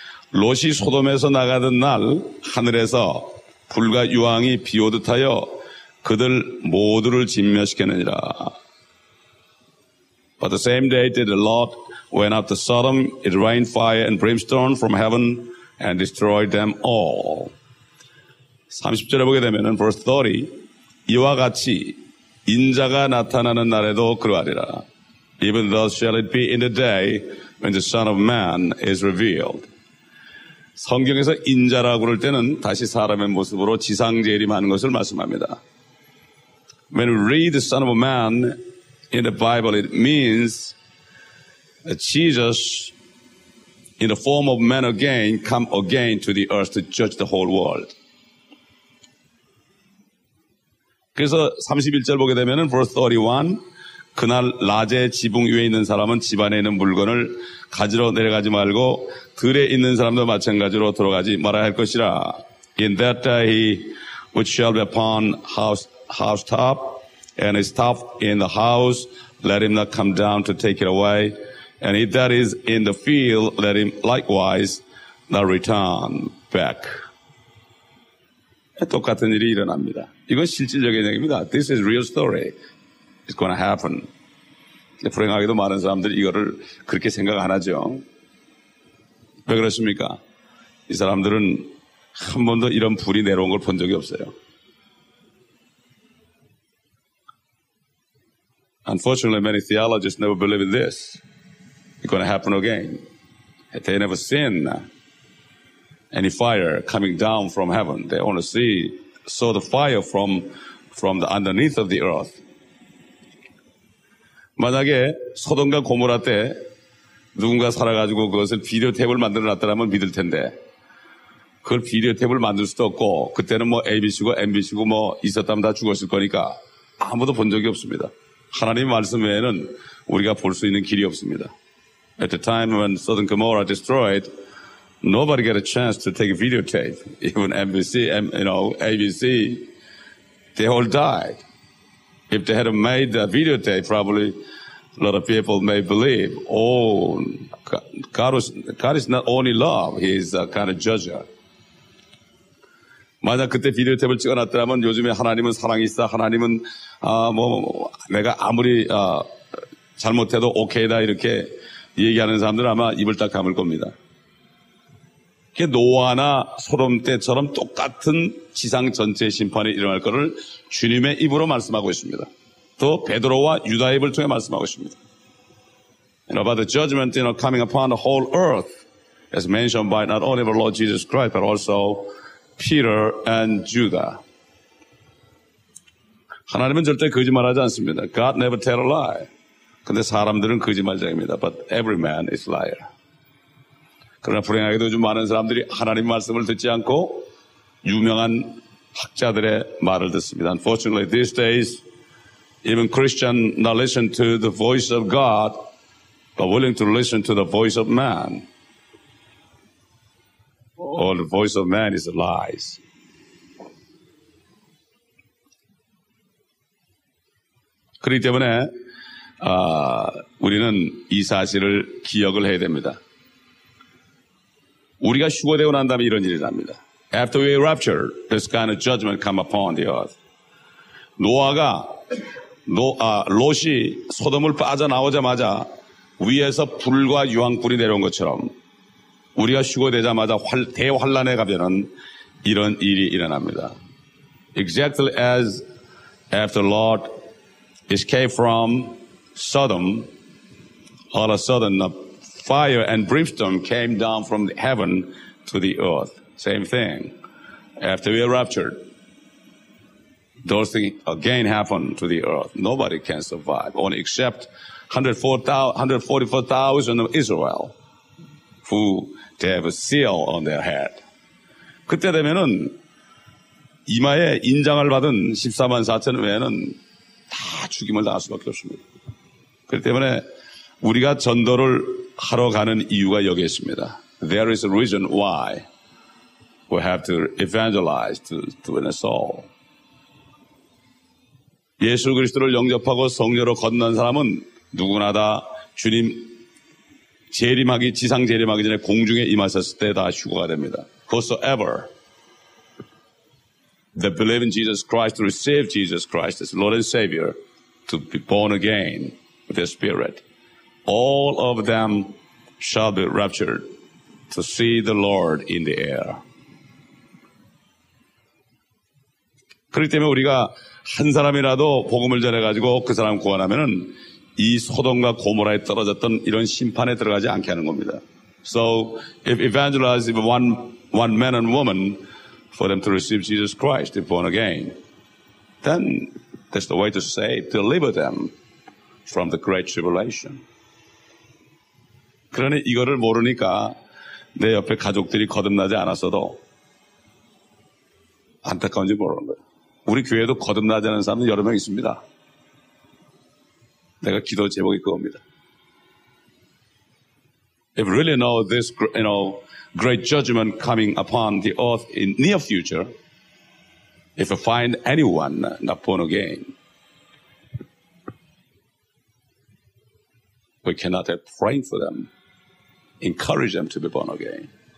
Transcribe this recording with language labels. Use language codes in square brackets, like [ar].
[ko] 롯이 소돔에서 나가던 날 하늘에서 불과 유황이 비오듯 하여 그들 모두를 진멸시켰느니라. [en] But the same day did the Lord went up to Sodom, it rained fire and brimstone from heaven and destroyed them all. [ko] 30절에 보게 되면은 [en] verse 30. [ko] 이와 같이 인자가 나타나는 날에도 그러하리라. [en] Even thus shall it be in the day when the Son of Man is revealed. [ko] 성경에서 인자라고 그럴 때는 다시 사람의 모습으로 지상재림하는 것을 말씀합니다. [en] When we read the Son of Man in the Bible, it means Jesus, in the form of man again, come again to the earth to judge the whole world. [ko] 그래서 31절 보게 되면은 [en] verse 31, [ko] 그날 낮에 지붕 위에 있는 사람은 집 안에 있는 물건을 가지러 내려가지 말고 들에 있는 사람도 마찬가지로 들어가지 말아야 할 것이라. [en] In that day he which shall be upon housetop and his top in the house, let him not come down to take it away. And he that is in the field, let him likewise not return back. [ko] 똑같은 일이 일어납니다. 이건 실질적인 얘기입니다. [en] This is real story. It's going to happen. [ko] 불행하게도 많은 사람들이 이거를 그렇게 생각 안 하죠. 왜 그렇습니까? 이 사람들은 한 번도 이런 불이 내려온 걸 본 적이 없어요. [en] Unfortunately, many theologists never believe in this. It's going to happen again. They never seen any fire coming down from heaven. They only saw the fire from the underneath of the earth. [ko] 만약에 소돔과 고모라 때 누군가 살아가지고 그것을 비디오 테이프를 만들어놨더라면 믿을 텐데 그걸 비디오 테이프를 만들 수도 없고 그때는 뭐 ABC고 MBC고 뭐 있었다면 다 죽었을 거니까 아무도 본 적이 없습니다. 하나님의 말씀 외에는 우리가 볼 수 있는 길이 없습니다. [en] At the time when Sodom and Gomorrah destroyed, nobody got a chance to take a videotape. Even NBC, you know, ABC, they all died. If they had made a videotape, probably a lot of people may believe, oh, God is not only love, He is a kind of judger. [ko] 만약 그때 비디오테이프를 찍어놨더라면 요즘에 하나님은 사랑이 있어. 하나님은, 아, 뭐, 내가 아무리, 아, 잘못해도 오케이다. 이렇게 얘기하는 사람들은 아마 입을 딱 감을 겁니다. 그게 노아나 소돔 때처럼 똑같은 지상 전체의 심판이 일어날 것을 주님의 입으로 말씀하고 있습니다. 또 베드로와 유다의 입을 통해 말씀하고 있습니다. [en] And about the judgment, you know, coming upon the whole earth, as mentioned by not only the Lord Jesus Christ, but also Peter and Judah. [ko] 하나님은 절대 거짓말하지 않습니다. [en] God never tell a lie. [ko] 근데 사람들은 거짓말쟁이입니다. [en] But every man is liar. [ko] 그러나 불행하게도 요즘 많은 사람들이 하나님 말씀을 듣지 않고 유명한 학자들의 말을 듣습니다. [en] Unfortunately, these days, even Christians not listen to the voice of God, but willing to listen to the voice of man. Or the voice of man is lies. [ko] 그렇기 때문에 우리는 이 사실을 기억을 해야 됩니다. 우리가 휴거되고 난 다음에 이런 일이 납니다. [en] After we rapture, this kind of judgment come upon the earth. [ko] 롯이 소돔을 빠져나오자마자 위에서 불과 유황불이 내려온 것처럼 우리가 휴거되자마자 대환란에 가면은 이런 일이 일어납니다. [en] Exactly as after Lord escaped from Sodom, all of a sudden a fire and brimstone came down from heaven to the earth. Same thing. After we are raptured, those things again happen to the earth. Nobody can survive, only except 144,000 of Israel who they have a seal on their head. [ko] 그때 되면은 이마에 인장을 받은 14만 4천 외에는 다 죽임을 당할 수밖에 없습니다. 그렇기 때문에 우리가 전도를 하러 가는 이유가 여기 있습니다. [en] There is a reason why we have to evangelize to win a soul. [ko] 예수 그리스도를 영접하고 성녀로 거듭난 사람은 누구나 다 주님 재림하기 지상 재림하기 전에 공중에 임하셨을 때 다 휴거가 됩니다. [en] Whosoever that believe in Jesus Christ to receive Jesus Christ as Lord and Savior to be born again with the Spirit. All of them shall be raptured to see the Lord in the air. [ko] 그렇기 때문에 우리가 한 사람이라도 복음을 전해가지고 그 사람 구원하면은 이 소돔과 고모라에 떨어졌던 이런 심판에 들어가지 않게 하는 겁니다. [en] So, if evangelize one man and woman for them to receive Jesus Christ, if born again, then that's the way to deliver them from the great tribulation. [ko] 그러니 이거를 모르니까 내 옆에 가족들이 거듭나지 않았어도 안타까운지 모르는 거예요. 우리 교회도 거듭나지 않은 사람은 여러 명 있습니다. 내가 기도 제목이 그겁니다. [en] If really know this, you know, great judgment coming upon the earth in near future, if you find anyone not born again, we cannot help praying for them, encourage them to be born again.